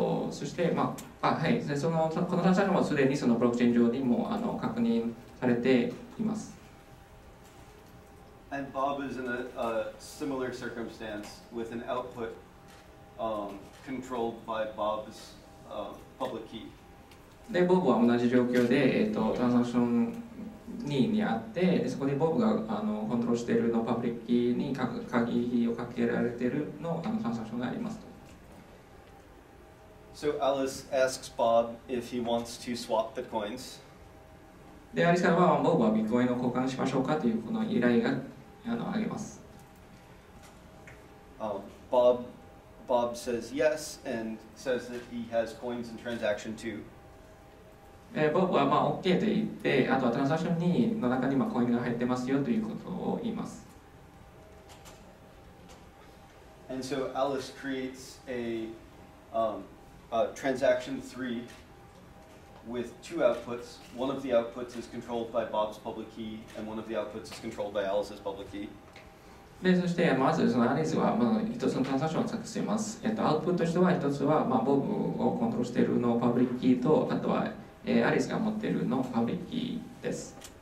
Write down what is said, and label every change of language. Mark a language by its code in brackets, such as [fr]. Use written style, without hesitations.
[ja] そして、まあはい、そのこのトランザクションはすでにそのブロックチェーン上にも確認されています。 [en] And Bob is in a similar circumstance with an output. Controlled by Bob's public key. [ja] で、ボブは同じ状況で、トランザクション2にあって、でそこでボブがコントロールしているのパブリックキーに鍵をかけられているのトランザクションがありますと。 [en] So Alice asks Bob if he wants to swap the coins. [ja] で、アリスからはボブはビットコインを交換しましょうかというこの依頼があります [en] Bob says yes and says that he has coins in transaction 2. [ja] Bob はまあ OK と言って、あとはトランザクション2の中にまあコインが入ってますよということを言います。 [en] And so Alice creates a transaction 3 with 2 outputs. One of the outputs is controlled by Bob's public key, and one of the outputs is controlled by Alice's public key. [ja] で、そしてまずそのアリスは、まあ、1つのトランザクションを作成します。アウトプットとしては1つは、まあ、ボブをコントロールしているのパブリックキーと、あとは、アリスが持っているのパブリックキーです。